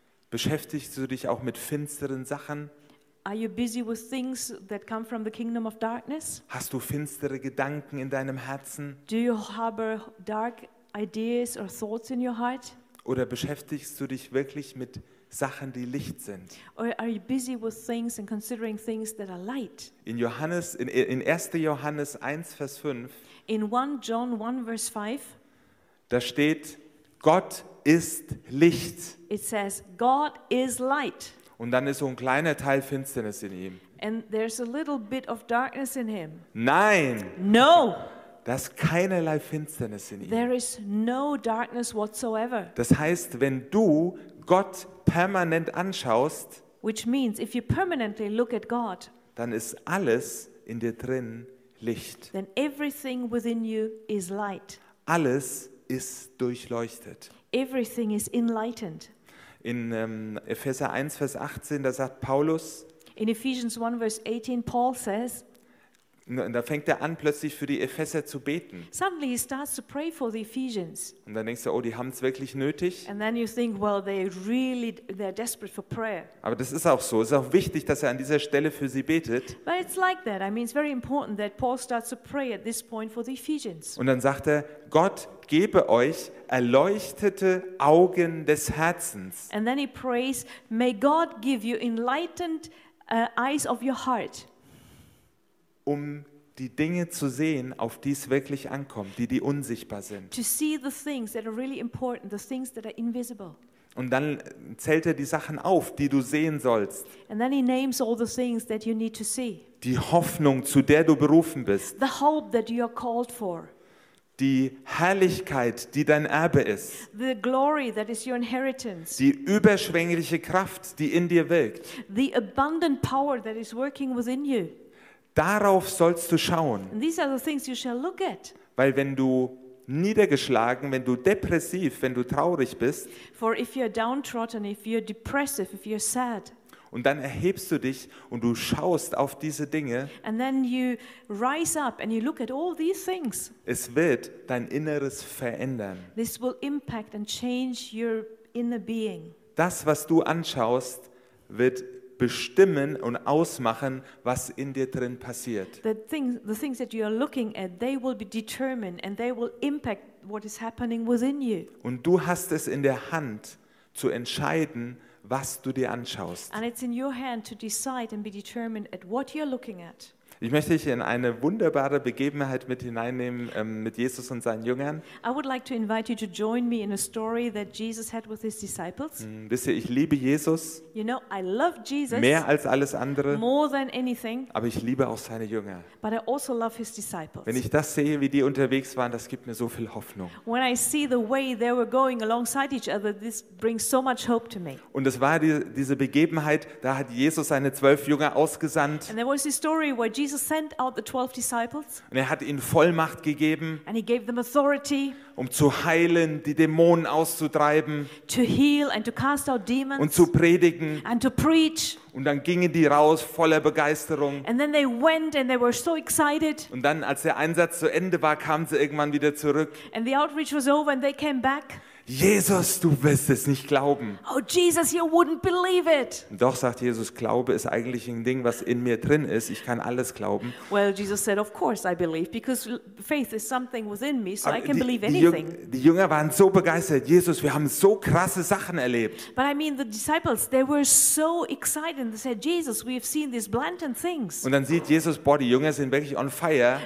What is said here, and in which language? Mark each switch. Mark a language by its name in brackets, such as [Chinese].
[German] Beschäftigst du dich auch mit finsteren Sachen? [English] Are you busy with things that come from the kingdom of darkness? [German] Hast du finstere Gedanken in deinem Herzen? [English] Do you harbor dark ideas or thoughts in your heart? [German] Oder beschäftigst du dich wirklich mit Sachen, die Licht sind? [English] Or are you busy with things and considering things that are light? [German] In 1. Johannes 1, Vers 5, [English] in 1 John 1, Vers 5, [German] da steht, Gott ist Licht. [English] It says, God is light. [German] Und dann ist so ein kleiner Teil Finsternis in ihm. [English] And there's a little bit of darkness in him. [German] Nein! [English] No! [German] Da ist keinerlei Finsternis in ihm. [English] There is no darkness whatsoever. [German] Das heißt, wenn du Gott permanent anschaust, [English] which means if you permanently look at God, [German] dann ist alles in dir drin Licht. [English] Then everything within you is light. [German] Alles ist durchleuchtet. [English] Everything is enlightened. [German] In Epheser 1, Vers 18, da sagt Paulus, [English] in Ephesians 1, Vers 18, Paul says, [German] Und da fängt er an, plötzlich für die Epheser zu beten. [English] Suddenly he starts to pray for the Ephesians. [German] Und dann denkst du, oh, die haben es wirklich nötig. [English] And then you think, well, they're desperate for prayer. [German] Aber das ist auch so. Es ist auch wichtig, dass er an dieser Stelle für sie betet. [English] But it's like that. I mean, it's very important that Paul starts to pray at this point for the Ephesians. [German] Und dann sagt er, Gott gebe euch erleuchtete Augen des Herzens. [English] And then he prays, may God give you enlightened eyes of your heart. [German] Um die Dinge zu sehen, auf die es wirklich ankommt, die unsichtbar sind. [English] To see the things that are really important, the things that are invisible. [German] Und dann zählt er die Sachen auf, die du sehen sollst. [English] And then he names all the things that you need to see. [German] Die Hoffnung, zu der du berufen bist. [English] The hope that you are called for. [German] Die Herrlichkeit, die dein Erbe ist. [English] The glory that is your inheritance. [German] Die überschwängliche Kraft, die in dir wirkt. [English] The abundant power that is working within you. [German] Darauf sollst du schauen. [English] And these are the things you shall look at. [German] Weil wenn du niedergeschlagen, wenn du depressiv, wenn du traurig bist, [English] for if you're downtrodden, if you're depressive, if you're sad, [German] und dann erhebst du dich und du schaust auf diese Dinge, [English] and then you rise up and you look at all these things, [German] es wird dein Inneres verändern. [English] This will impact and change your inner being. [German] Das, was du anschaust, wird bestimmen und ausmachen, was in dir drin passiert. [English] The things that you are looking at, they will be determined and they will impact what is happening within you. [German] Und du hast es in der Hand zu entscheiden, was du dir anschaust. [English] And it's in your hand to decide and be determined at what you're looking at. [German] Ich möchte dich in eine wunderbare Begebenheit mit hineinnehmen, mit Jesus und seinen Jüngern. [English] I would like to invite you to join me in a story that Jesus had with his disciples. [German] Wisst ihr, ich liebe Jesus. [English] You know, I love Jesus. [German] Mehr als alles andere. [English] More than anything. [German] Aber ich liebe auch seine Jünger. [English] But I also love his disciples. [German] Wenn ich das sehe, wie die unterwegs waren, das gibt mir so viel Hoffnung. [English] When I see the way they were going alongside each other, this brings so much hope to me. [German] Und es war diese Begebenheit, da hat Jesus seine 12 Jünger ausgesandt. [English] And there was this story where Jesus sent out the 12 disciples. [German] Und er hat ihnen Vollmacht gegeben. [English] And he gave them authority. [German] Um zu heilen, die Dämonen auszutreiben. [English] To heal and to cast out demons. [German] Und zu predigen. [English] And to preach. [German] Und dann gingen die raus voller Begeisterung. [English] And then they went and they were so excited. [German] Und dann, als der Einsatz zu Ende war, kamen sie irgendwann wieder zurück. [English] And the outreach was over and they came back. [German] Jesus, du wirst es nicht glauben. [English] Oh Jesus, you wouldn't believe it. [German] Doch, sagt Jesus, Glaube ist eigentlich ein Ding, was in mir drin ist. Ich kann alles glauben. [English] Well, Jesus said, of course I believe, because faith is something within me, so I can believe anything. [German] Die Jünger waren so begeistert. Jesus, wir haben so krasse Sachen erlebt. [English] But I mean, the disciples, they were so excited. They said, Jesus, we have seen these blatant things. [German] Und dann sieht Jesus, boah, die Jünger sind wirklich [English] on fire.